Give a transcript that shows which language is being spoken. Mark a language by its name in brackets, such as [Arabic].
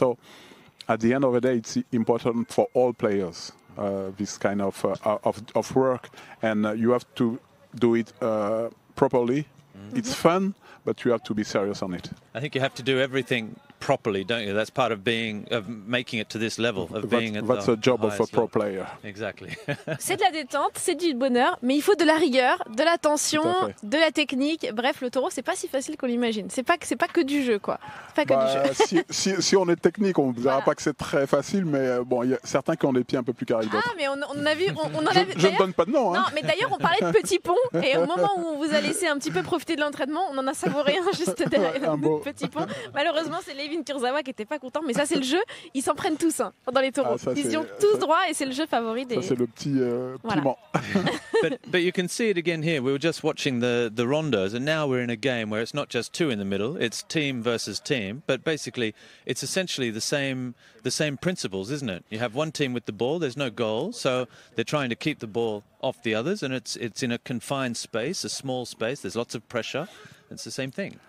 [English] So at the end of the day, it's important for all players, this kind of work. And you have to do it properly. Mm-hmm. It's fun, but you have to be serious on it. I think you have to do everything properly, don't you? That's part of being, of making it to this level, of being at the highest level. That's a job of a pro player. Exactly. [French] C'est de la détente, c'est du bonheur, mais il faut de la rigueur, de la tension, de la technique. Bref, le taureau, c'est pas si facile qu'on l'imagine. C'est pas que du jeu, quoi. Pas que du jeu. si on est technique, on ne dira pas que c'est très facile, mais bon, il y a certains qui ont des pieds un peu plus carrés. Ah, mais on a vu. Je ne donne pas de nom. Non, mais d'ailleurs, on parlait de petits ponts, et au moment où on vous a laissé un petit peu profiter de l'entraînement, on en a savouré un juste derrière un petit pont. Malheureusement, c'est Kevin Kurzawa qui n'était pas content, mais ça c'est le jeu, ils s'en prennent tous hein, dans les taureaux. Ah, ils y ont tous droit et c'est le jeu favori des... Ça c'est le petit piment. Voilà. [English] but you can see it again here, we were just watching the rondos, and now we're in a game where it's not just two in the middle, it's team versus team, but basically it's essentially the same principles, isn't it? You have one team with the ball, there's no goal, so they're trying to keep the ball off the others, and it's in a confined space, a small space, there's lots of pressure, it's the same thing.